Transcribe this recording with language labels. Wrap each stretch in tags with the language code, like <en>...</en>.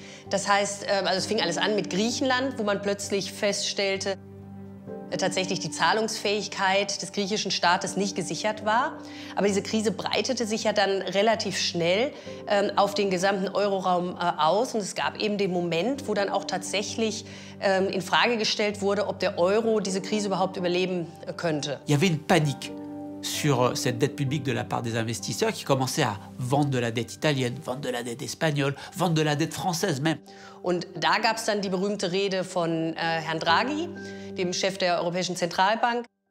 <de>Das heißt, also es fing alles an mit Griechenland, wo man plötzlich feststellte, tatsächlich die Zahlungsfähigkeit des griechischen Staates nicht gesichert war. Aber diese Krise breitete sich ja dann relativ schnell auf den gesamten Euroraum aus. Und es gab eben den Moment, wo dann auch tatsächlich in Frage gestellt wurde, ob der Euro diese Krise überhaupt überleben könnte.</de> <fr>Il y avait une panique sur cette dette publique de la part des investisseurs qui commençaient à vendre de la dette italienne, vendre de la dette espagnole, vendre de la dette française même.</fr> <de>Und da gab es dann die berühmte Rede von Herrn Draghi, dem Chef der Europäischen Zentralbank.</de>